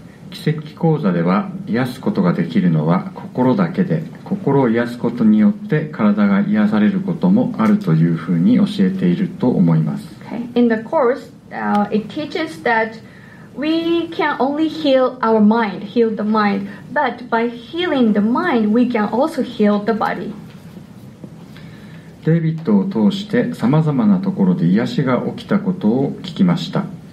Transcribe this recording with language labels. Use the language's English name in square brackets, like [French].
[Japanese] 奇跡講座では癒すことができるのは心だけで、心を癒すことによって体が癒されることもあるというふうに教えていると思います。 [English] Okay. In the course, it teaches that we can only heal the mind, but by healing the mind, we can also heal the body. [Japanese] デイビッドを通して様々なところで癒しが起きたことを聞きました。